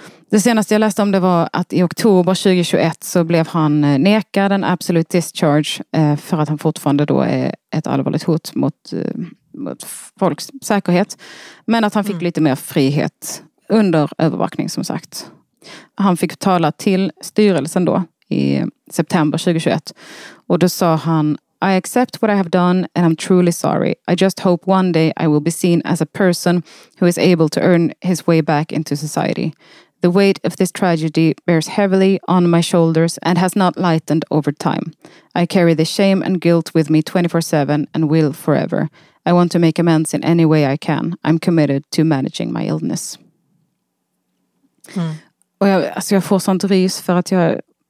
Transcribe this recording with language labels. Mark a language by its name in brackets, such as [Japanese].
[Swedish] Det senaste jag läste om det var att i oktober 2021 så blev han nekad en absolute discharge för att han fortfarande då är ett allvarligt hot mot folks säkerhet. Men att han fick lite mer frihet under övervakning som sagt. Han fick tala till styrelsen då i september 2021. Och då sa han, [English] I accept what I have done and I'm truly sorry. I just hope one day I will be seen as a person who is able to earn his way back into society. The weight of this tragedy bears heavily on my shoulders and has not lightened over time. I carry the shame and guilt with me 24/7 and will forever. I want to make amends in any way I can. I'm committed to managing my illness. Mm. [Swedish] Och jag, alltså jag får sånt rys för att jag...